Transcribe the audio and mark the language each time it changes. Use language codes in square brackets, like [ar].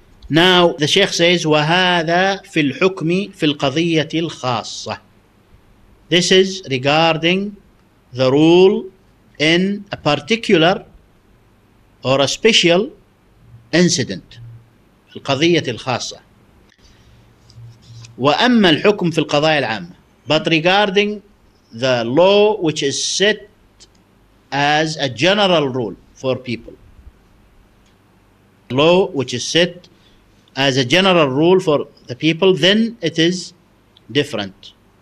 [en] Now the Sheikh says, [ar] وَهَذَا فِي الْحُكْمِ فِي الْقَضِيَّةِ الْخَاصَّةِ. [en] This is regarding the rule in a particular or a special incident. [ar] القضية الخاصة. وأما الحكم في القضايا العامة. [en] But regarding the law which is set as a general rule for people. Law which is set as a general rule for the people, then it is different.